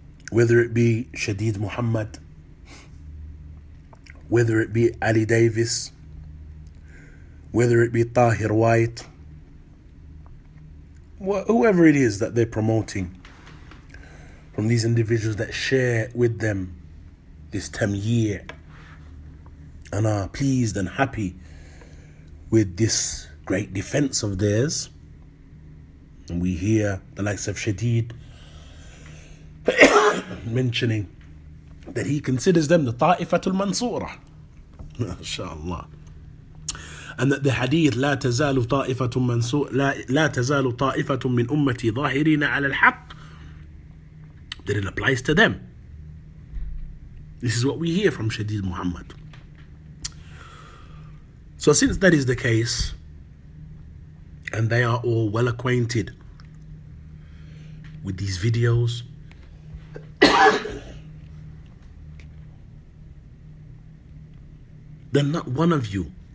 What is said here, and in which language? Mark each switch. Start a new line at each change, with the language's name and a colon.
English: whether it be Shadeed Muhammad, whether it be Ali Davis, whether it be Tahir White, whoever it is that they're promoting, from these individuals that share with them this tamyir and are pleased and happy with this great defense of theirs. And we hear the likes of Shadeed mentioning that he considers them the Ta'ifatul Mansura, mashallah. And that the hadith,
Arabic: لا تزال طائفة منصور لا تزال طائفة من أمتي ظاهرين على الحق,
English: that it applies to them. This is what we hear from Shadeed Muhammad. So since that is the case, and they are all well acquainted with these videos, then not one of you